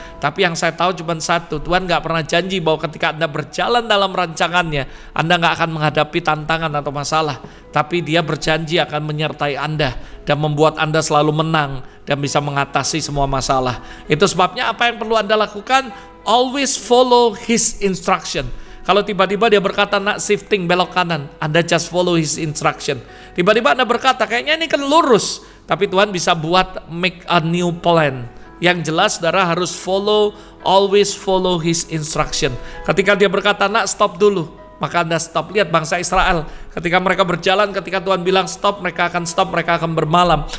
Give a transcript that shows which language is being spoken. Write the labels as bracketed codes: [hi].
[id] Tapi yang saya tahu cuma satu, Tuhan gak pernah janji bahwa ketika Anda berjalan dalam rancangannya, Anda gak akan menghadapi tantangan atau masalah. Tapi Dia berjanji akan menyertai Anda dan membuat Anda selalu menang dan bisa mengatasi semua masalah. Itu sebabnya apa yang perlu Anda lakukan? [en] Always follow His instruction. [id] Kalau tiba-tiba dia berkata, nak shifting, belok kanan, Anda [en] just follow His instruction. [id] Tiba-tiba Anda berkata, kayaknya ini kan lurus. Tapi Tuhan bisa buat [en] make a new plan. [id] Yang jelas, saudara, harus [en] follow, always follow His instruction. [id] Ketika dia berkata, nak stop dulu, maka Anda stop. Lihat bangsa Israel, ketika mereka berjalan, ketika Tuhan bilang stop, mereka akan stop, mereka akan bermalam.